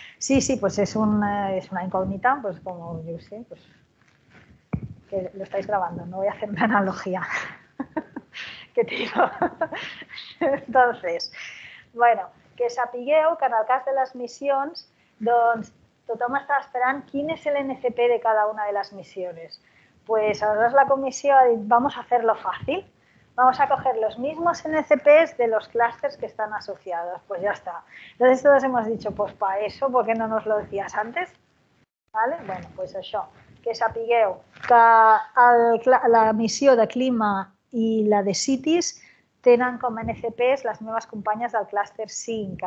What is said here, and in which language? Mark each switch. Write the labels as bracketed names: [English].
[Spanish] Sí, sí, pues [Catalan] és una incògnita, pues, com jo sé, [Spanish] pues, que lo estáis grabando, no voy a hacer una analogía. Que tiro. [Catalan] Entonces, bueno, que sapigueu que en el cas de les missions, doncs, tothom està esperant quin és l'NCP de cada una de les missions. Pues aleshores la comissió ha dit, [Spanish] vamos a hacerlo fácil, vamos a coger los mismos NCPs de los clústers que están asociados, pues ya está. Entonces todos hemos dicho, pues para eso, ¿por qué no nos lo decías antes? ¿Vale? [Catalan] Bueno, pues això, que sapigueu que la missió de clima i la de cities tenen com NCPs les meves companyes del clúster 5.